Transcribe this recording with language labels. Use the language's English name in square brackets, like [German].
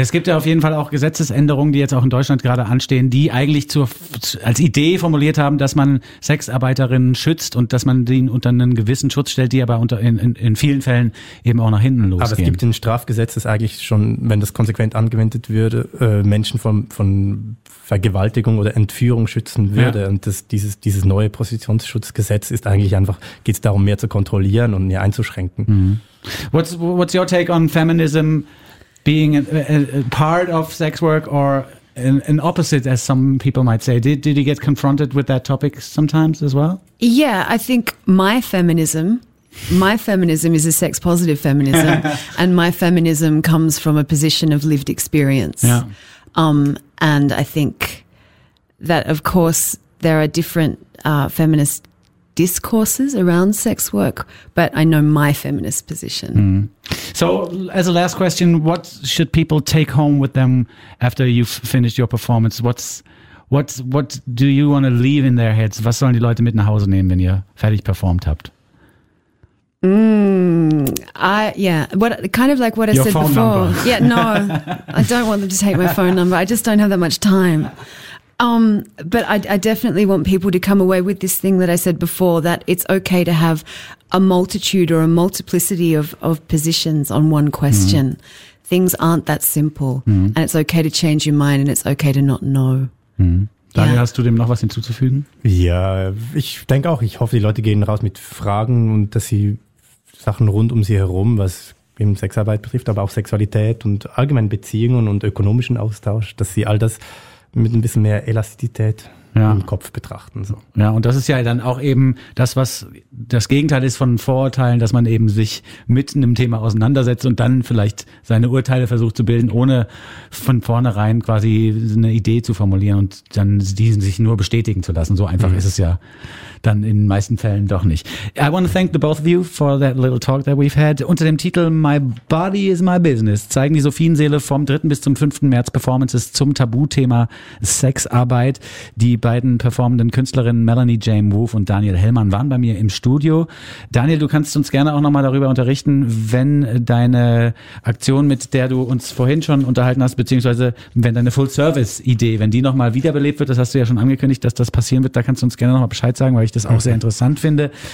[German] Ja, es gibt ja auf jeden Fall auch Gesetzesänderungen, die jetzt auch in Deutschland gerade anstehen, die eigentlich als Idee formuliert haben, dass man Sexarbeiterinnen schützt und dass man denen unter einen gewissen Schutz stellt, die aber in vielen Fällen eben auch nach hinten losgehen. Aber es gibt ein Strafgesetz, das eigentlich schon, wenn das konsequent angewendet würde, Menschen von Vergewaltigung oder Entführung schützen würde. Ja. Und dieses neue Prostitutionsschutzgesetz ist eigentlich einfach, geht es darum, mehr zu kontrollieren und mehr einzuschränken. [English] What's your take on feminism being a part of sex work or an opposite, as some people might say? Did you get confronted with that topic sometimes as well? Yeah, I think my feminism My feminism is a sex positive feminism, and my feminism comes from a position of lived experience. Yeah. And I think that, of course, there are different feminist discourses around sex work, but I know my feminist position. Mm. So as a last question, what should people take home with them after you've finished your performance? What do you want to leave in their heads? [German] Was sollen die Leute mit nach Hause nehmen, wenn ihr fertig performt habt? [English] What I said before. Yeah, no, I don't want them to take my phone number. I just don't have that much time. But I definitely want people to come away with this thing that I said before, that it's okay to have a multitude or a multiplicity of positions on one question. Mm-hmm. Things aren't that simple. Mm-hmm. And it's okay to change your mind, and it's okay to not know. Mhm. [German] Daniel, ja. Hast du dem noch was hinzuzufügen? Ja, ich denke auch. Ich hoffe, die Leute gehen raus mit Fragen und dass sie Sachen rund um sie herum, was eben Sexarbeit betrifft, aber auch Sexualität und allgemein Beziehungen und ökonomischen Austausch, dass sie all das mit ein bisschen mehr Elastizität im Kopf betrachten. So. Ja, und das ist ja dann auch eben das, was das Gegenteil ist von Vorurteilen, dass man eben sich mit einem Thema auseinandersetzt und dann vielleicht seine Urteile versucht zu bilden, ohne von vornherein quasi eine Idee zu formulieren und dann diesen sich nur bestätigen zu lassen. So einfach ist es ja dann in den meisten Fällen doch nicht. [English] I want to thank the both of you for that little talk that we've had. [German] Unter dem Titel My Body is My Business zeigen die Sophienseele vom 3. bis zum 5. März Performances zum Tabuthema Sexarbeit. Die beiden performenden Künstlerinnen Melanie Jane Wolf und Daniel Hellmann waren bei mir im Studio. Daniel, du kannst uns gerne auch nochmal darüber unterrichten, wenn deine Aktion, mit der du uns vorhin schon unterhalten hast, beziehungsweise wenn deine Full-Service-Idee, wenn die nochmal wiederbelebt wird, das hast du ja schon angekündigt, dass das passieren wird, da kannst du uns gerne nochmal Bescheid sagen, weil ich das auch sehr interessant finde.